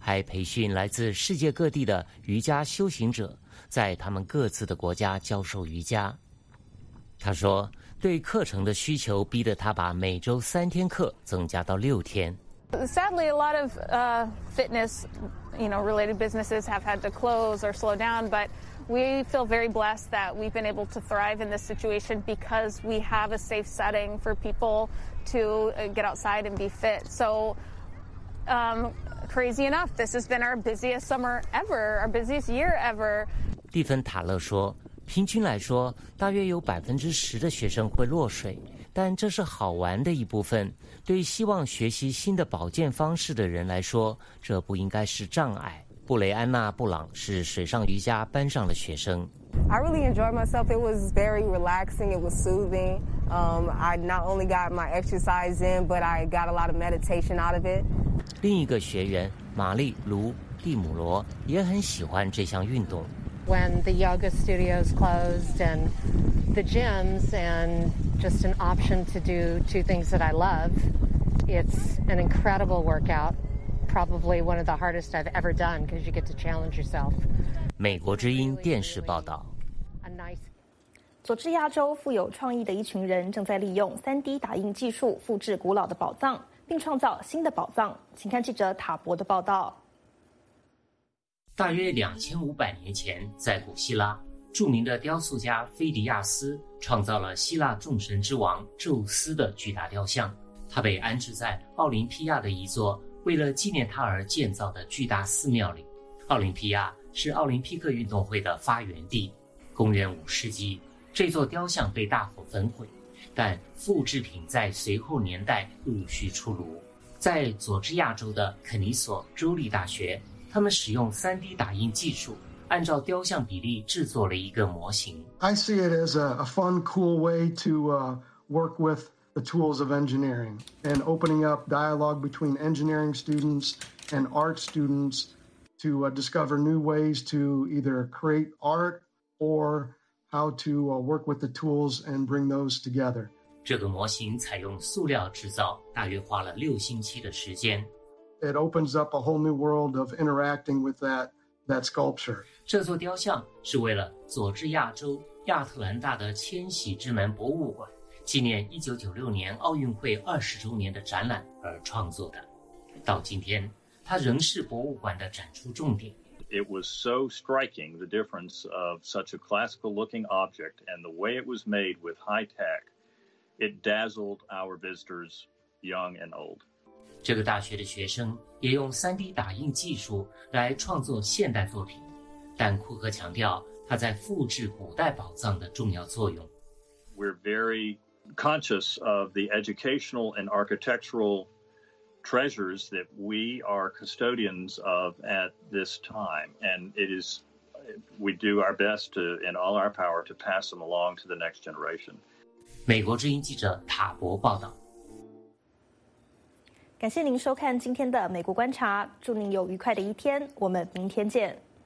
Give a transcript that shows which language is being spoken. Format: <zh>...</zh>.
<zh>水上瑜伽，也就是在桨板上做瑜伽，是一门需求激增的运动课程，必须在很有限的表面上保持平衡，迫使瑜伽学生格外专注，否则就会掉进水里。水上瑜伽创始人莎拉·蒂芬塔勒10年前率先开始在桨板上练习下犬式的动作，还培训来自世界各地的瑜伽修行者。在他们各自的国家教授瑜伽，他说，对课程的需求逼得他把每周三天课增加到6天。</zh> <en>Sadly, a lot of fitness, you know, related businesses have had to close or slow down. But we feel very blessed that we've been able to thrive in this situation because we have a safe setting for people to get outside and be fit. So, crazy enough. This has been our busiest summer ever, our busiest year ever.</en> <zh>蒂芬塔勒说，平均来说，大约有10%的学生会落水，但这是好玩的一部分。对希望学习新的保健方式的人来说，这不应该是障碍。布雷安娜·布朗是水上瑜伽班上的学生。</zh> <en>I really enjoyed myself. It was very relaxing. It was soothing. I not only got my exercise in, but I got a lot of meditation out of it.</en> <zh>另一个学员玛丽·卢·蒂姆罗也很喜欢这项运动。</zh> <en>When the yoga studios closed and the gyms and just an option to do two things that I love, it's an incredible workout. Probably one of the hardest I've ever done because you get to challenge yourself.</en> <zh>美国之音电视报道。佐治亚州富有创意的一群人正在利用 3D 打印技术复制古老的宝藏，并创造新的宝藏。请看记者塔博的报道。大约2500年前，在古希腊，著名的雕塑家菲迪亚斯创造了希腊众神之王宙斯的巨大雕像。他被安置在奥林匹亚的一座为了纪念他而建造的巨大寺庙里。奥林匹亚是奥林匹克运动会的发源地。公元5世纪，这座雕像被大火焚毁，但复制品在随后年代陆续出炉。在佐治亚州的肯尼索州立大学，他们使用 3D 打印技术，按照雕像比例制作了一个模型。</zh> <en>I see it as a fun, cool way to work with the tools of engineering and opening up dialogue between engineering students and art students to discover new ways to either create art or how to work with the tools and bring those together.</en> <zh>这个模型采用塑料制造，大约花了6星期的时间。</zh> <en>It opens up a whole new world of interacting with that sculpture.</en> <zh>这座雕像是为了佐治亚州亚特兰大的千禧之门博物馆纪念1996年奥运会20周年的展览而创作的。到今天，它仍是博物馆的展出重点。</zh> <en>It was so striking, the difference of such a classical-looking object and the way it was made with high-tech. It dazzled our visitors, young and old.</en> <zh>这个大学的学生也用 3D 打印技术来创作现代作品，但库克强调他在复制古代宝藏的重要作用。</zh> <en>We're very conscious of the educational and architectural treasures that we are custodians of at this time, and we do our best to, in all our power, to pass them along to the next generation.</en> <zh>美国之音记者塔博报道。感谢您收看今天的美国观察，祝您有愉快的一天，我们明天见。</zh>